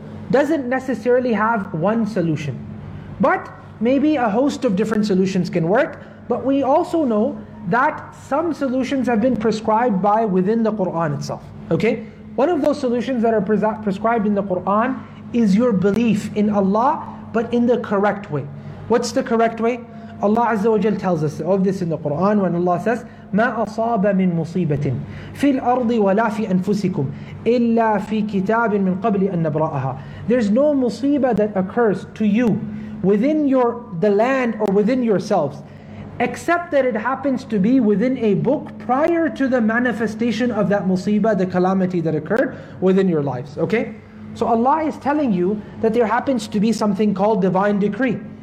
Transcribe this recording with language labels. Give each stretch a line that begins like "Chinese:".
English: doesn't necessarily have one solution. But maybe a host of different solutions can work. But we also know that some solutions have been prescribed by within the Qur'an itself. Okay? One of those solutions that are prescribed in the Qur'an is your belief in Allah, but in the correct way. What's the correct way? Allah Azza wa Jalla tells us of this in the Qur'an when Allah says,
Arabic: مَا أَصَابَ مِن مُصِيبَةٍ فِي الْأَرْضِ وَلَا فِي أَنفُسِكُمْ إِلَّا فِي كِتَابٍ مِن قَبْلِ أَن نَبْرَأَهَا.
English: There's no musibah that occurs to you within the land or within yourselves, except that it happens to be within a book prior to the manifestation of that musibah, the calamity that occurred within your lives. Okay? So Allah is telling you that there happens to be something called divine decree.